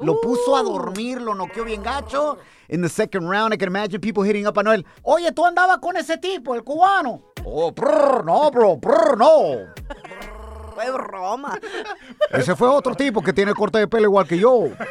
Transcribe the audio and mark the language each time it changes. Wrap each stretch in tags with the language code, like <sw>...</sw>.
<es>Lo puso a dormir, lo noqueó bien gacho.</es> <en>In the second round, I can imagine people hitting up Anuel.</en> <es>Oye, tú andabas con ese tipo, el cubano. Oh, brr, no, bro, brr, no. Roma. Ese fue otro tipo que tiene corte de pelo igual que yo.</es>